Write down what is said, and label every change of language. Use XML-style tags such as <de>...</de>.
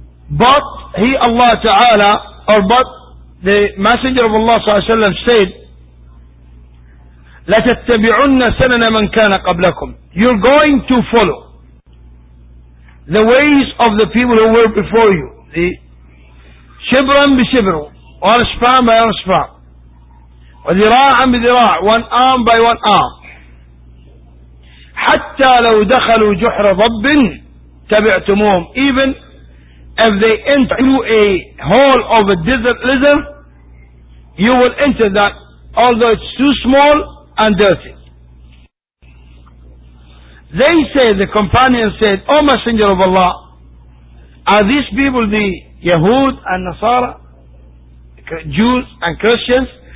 <en>But he, Allah Ta'ala, but the Messenger of Allah Sallallahu Alaihi Wasallam said,</en> <ar>لَتَتَّبِعُنَّ سَنَنَ مَنْ كَانَ قَبْلَكُمْ.</ar> <en>You're going to follow the ways of the people who were before you, the</en> <ar>شبرا بشبر ورشفا بيرشفا وذراعا بذراع</ar> <en>one arm by one arm</en> <ar>حتى لو دخلوا جحر ضب تبعتموهم.</ar> <en>Even if they enter through a hole of a desert lizard, you will enter that although it's too small and dirty. They said, the companion said, O Messenger of Allah, are these people the Yahud and Nasara, Jews and Christians?</en>